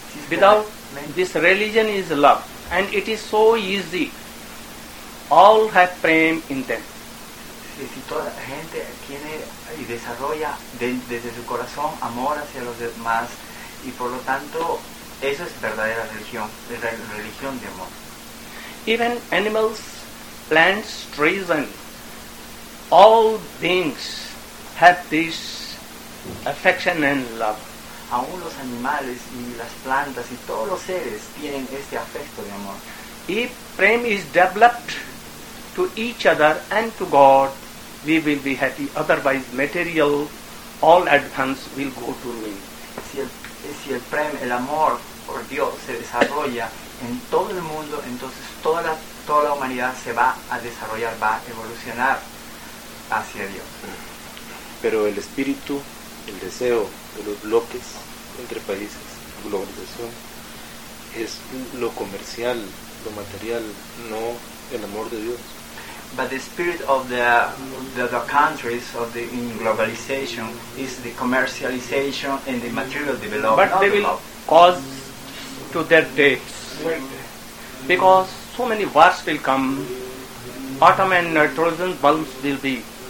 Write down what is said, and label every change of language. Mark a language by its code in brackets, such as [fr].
[en] Without this religion is love, and it is so easy. All have prem in them. [es] Si toda la gente tiene y desarrolla desde su corazón amor hacia los demás, y por lo tanto eso es verdadera religión, religión de amor. [en] Even animals, plants, trees and all beings have this affection and love. [es] Aún los animales y las plantas y todos los seres tienen este afecto de amor. [en] If prem is developed to each other and to God, we will be happy. Otherwise, material, all advance will go to ruin. [es] Si el prem, el amor por Dios, se desarrolla en todo el mundo, entonces toda la humanidad se va a desarrollar, va a evolucionar hacia Dios. Pero el espíritu, el deseo de los bloques entre países, globalización, es lo comercial, lo material, no el amor de Dios. [en] But the spirit of the countries of the in globalization is the commercialization and the material development. But they will cause to their deaths, because so many wars will come, atom and nitrogen bombs will be.